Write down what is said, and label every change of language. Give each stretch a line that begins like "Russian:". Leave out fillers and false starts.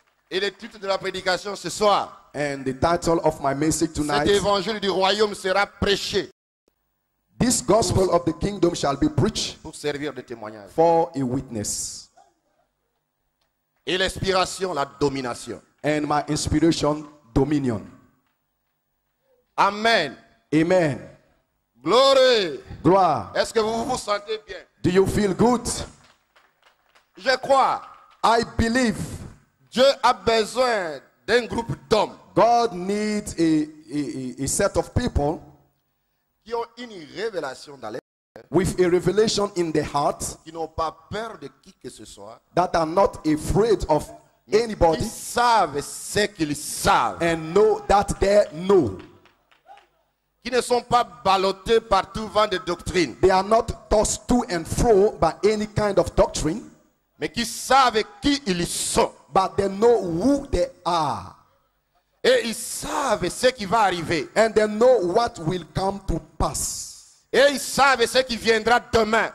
French: Et le titre de la prédication ce soir.
English: And the title of my message tonight.
French: Cet évangile du royaume sera prêché.
English: This gospel of the kingdom shall be preached
French: pour servir de témoignage.
English: For a witness.
French: Et l'inspiration, la domination.
English: And my inspiration, dominion.
French: Amen.
English: Amen. Glory.
French: Gloire. Est-ce que vous vous sentez bien?
English: Do you feel good?
French: Je crois.
English: I believe.
French: Dieu a besoin d'un groupe d'hommes.
English: God needs a set of people.
French: Qui ont une révélation dans les cœurs.
English: With a revelation in their heart.
French: Qui n'ont pas peur de qui que ce soit.
English: That are not afraid of anybody.
French: Ils savent ce qu'ils savent.
English: And know that they know.
French: Qui ne sont pas ballottés par tout vent de doctrine.
English: They are not tossed to and fro by any kind of doctrine.
French: Mais qui savent qui ils sont.
English: But they know who they are.
French: Et ils savent ce qui va arriver.
English: And they know what will come to pass.
French: Et ils savent ce qui viendra demain.